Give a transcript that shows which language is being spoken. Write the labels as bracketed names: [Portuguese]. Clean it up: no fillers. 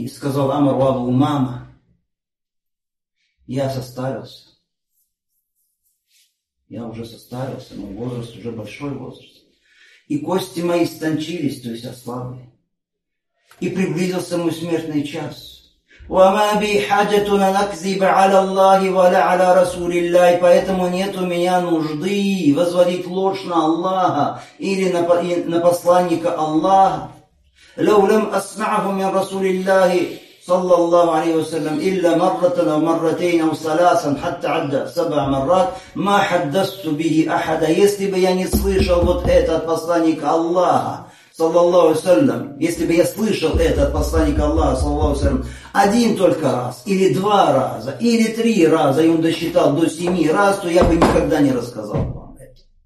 [Russian] Сказал Амр ва Абу Умама: «Я состарился, я уже состарился, мой возраст уже большой возраст, и кости мои истончились, то есть ослабли, и приблизился мой смертный час. [Arabic] وَمَا بِي حَجَةٌ نَكْذِبَ عَلَى اللَّهِ وَلَا عَلَى رَسُولِ اللَّهِ». [Russian] Поэтому нет у меня нужды возводить ложь на Аллаха или на посланника Аллаха. [Arabic] لَوْ لَمْ أَسْمَعْهُ مِنْ رَسُولِ اللَّهِ صلى الله عليه وسلم إلا مرة أو مرتين أو ثلاثا حتى عدى سبع مرات ما حدثت به أحدا. [Russian] Если бы я не слышал вот это от посланника Аллаха, [Arabic] صلى الله عليه وسلم, [Russian] если бы я слышал это от посланника Аллаха, صلى الله عليه وسلم, один только раз, или два раза, или три раза, и он досчитал до семи раз, то я бы никогда не рассказал вам это.